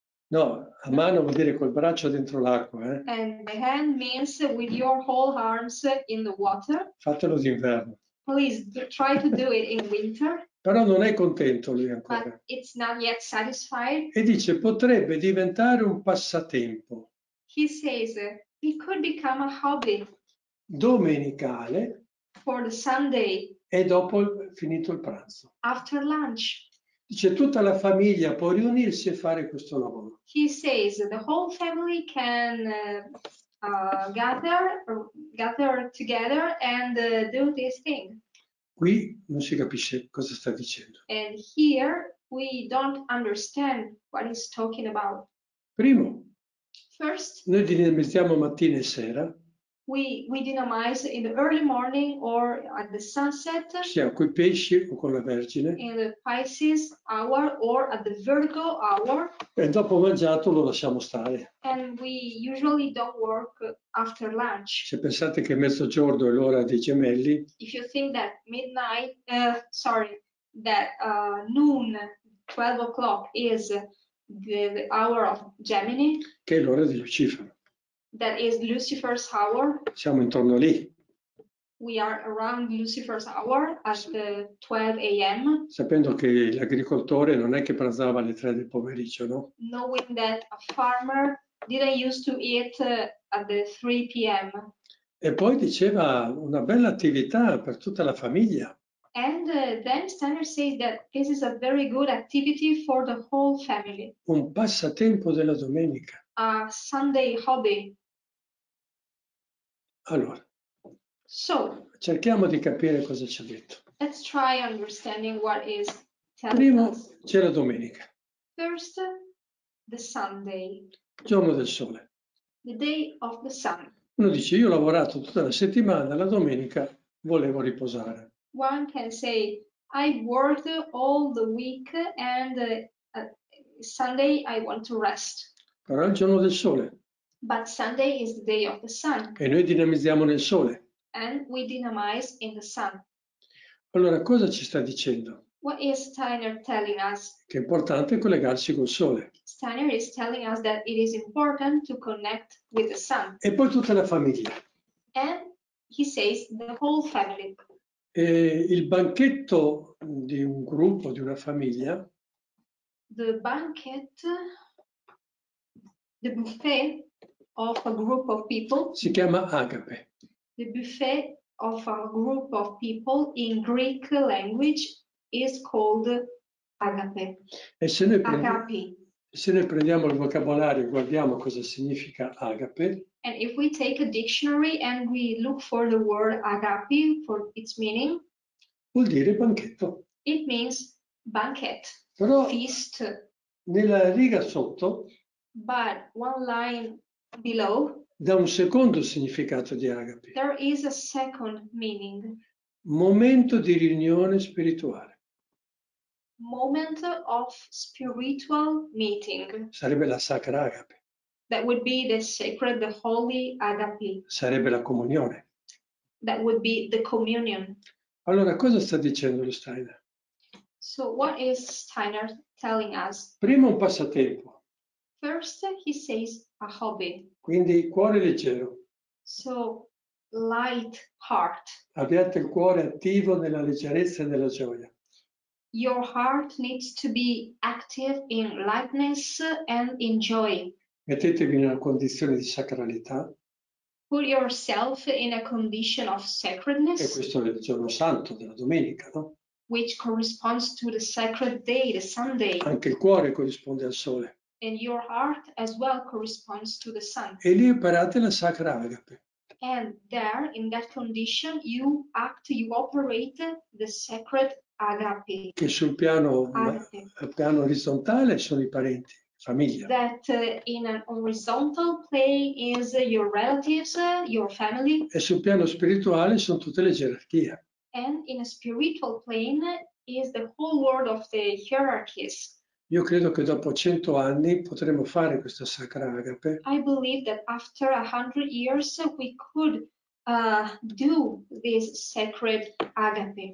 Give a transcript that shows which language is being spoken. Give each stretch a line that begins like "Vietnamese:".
Italian: No, a mano vuol dire col braccio dentro l'acqua, eh?
English: And by hand means with your whole arms in the water.
Italian: Fatelo d'inverno.
English: Please try to do it in winter.
Italian: Però non è contento lui ancora.
English: But it's not yet satisfied.
Italian: E dice potrebbe diventare un passatempo.
English: He says it could become a hobby.
Italian: Domenicale.
English: For the Sunday.
Italian: E dopo finito il pranzo.
English: After lunch.
Italian: Dice tutta la famiglia può riunirsi e fare questo lavoro.
English: He says the whole family can gather together and do this thing.
Italian: Qui non si capisce cosa sta dicendo.
English: And here we don't understand what he's talking about.
Italian: Primo.
English: First.
Italian: Noi dinamizziamo mattina e sera.
English: We dynamize in the early morning or at the sunset.
Italian: Sì, con i pesci o con la Vergine.
English: In the Pisces hour or at the Virgo hour.
Italian: E dopo mangiato lo lasciamo stare.
English: And we usually don't work after lunch.
Italian: Se pensate che mezzogiorno è l'ora dei gemelli.
English: If you think that midnight, noon, 12 o'clock is the hour of Gemini.
Italian: Che è l'ora di Lucifero.
English: That is Lucifer's hour.
Italian: Siamo intorno lì.
English: We are around Lucifer's hour at the 12 a.m.
Italian: Sapendo che l'agricoltore non è che pranzava alle 3 del pomeriggio, no?
English: Knowing that a farmer didn't used to eat at the 3 p.m.
Italian: E poi diceva una bella attività per tutta la famiglia.
English: And then Steiner says that this is a very good activity for the whole family.
Italian: Un passatempo della domenica.
English: A Sunday hobby.
Italian: Allora.
English: So.
Italian: Cerchiamo di capire cosa ci ha detto.
English: Let's try understanding what is telling us.
Italian: Primo,
English: us.
Italian: C'è la domenica.
English: First, the Sunday.
Italian: Il giorno del sole.
English: The day of the sun.
Italian: Uno dice, io ho lavorato tutta la settimana, la domenica volevo riposare.
English: One can say, I worked all the week and Sunday I want to rest.
Italian: Però è il giorno del sole.
English: But Sunday is the day of the sun.
Italian: E noi dinamizziamo nel sole.
English: And we dynamize in the sun.
Italian: Allora, cosa ci sta dicendo?
English: What is Steiner telling us?
Italian: Che è importante collegarsi col sole.
English: Steiner is telling us that it is important to connect with the sun.
Italian: E poi tutta la famiglia.
English: And he says the whole family.
Italian: E il banchetto di un gruppo, di una famiglia.
English: The banquet The buffet of a group of people.
Italian: Si chiama agape.
English: The buffet of a group of people in Greek language is called agape.
Italian: E se noi prendiamo il vocabolario, guardiamo cosa significa agape.
English: And if we take a dictionary and we look for the word agape for its meaning.
Italian: Vuol dire banchetto.
English: It means banquet.
Italian: Però
English: feast.
Italian: Nella riga sotto.
English: But one line below.
Italian: Da un secondo significato di agape.
English: There is a second meaning.
Italian: Momento di riunione spirituale.
English: Moment of spiritual meeting.
Italian: Sarebbe la sacra agape.
English: That would be the sacred, the holy agape.
Italian: Sarebbe la comunione.
English: That would be the communion.
Italian: Allora, cosa sta dicendo lo Steiner?
English: So what is Steiner telling us?
Italian: Prima un passatempo.
English: First he says a hobby.
Italian: Quindi cuore leggero.
English: So light heart.
Italian: Abbiate il cuore attivo nella leggerezza e nella gioia.
English: Your heart needs to be active in lightness and in joy.
Italian: Mettetevi in una condizione di sacralità.
English: Put yourself in a condition of sacredness.
Italian: E questo è il giorno santo della domenica, no?
English: Which corresponds to the sacred day, the Sunday.
Italian: Anche il cuore corrisponde al sole.
English: And your heart as well corresponds to the sun.
Italian: E lì imparate la sacra agape.
English: And there, in that condition, you act, you operate the sacred agape.
Italian: Che sul piano, agape. Piano orizzontale sono i parenti. Famiglia.
English: That in an horizontal plane is your relatives, your family.
Italian: E sul piano spirituale sono tutte le gerarchie.
English: And in a spiritual plane is the whole world of the hierarchies.
Italian: Io credo che dopo 100 anni potremo fare questa sacra agape.
English: I believe that after 100 years we could do this sacred agape.